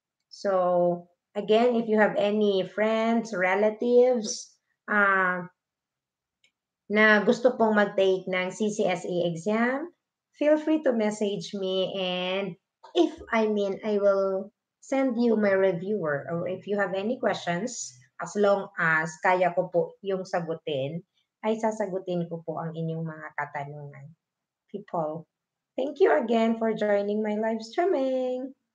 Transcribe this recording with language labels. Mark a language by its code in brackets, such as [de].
[en] So, again, if you have any friends, relatives, [tl] na gusto pong mag-take ng [en] CCSE exam, feel free to message me and I will send you my reviewer, or if you have any questions, as long as [tl] kaya ko po yung sagutin, ay sasagutin ko po ang inyong mga katanungan. [en] People, thank you again for joining my live streaming.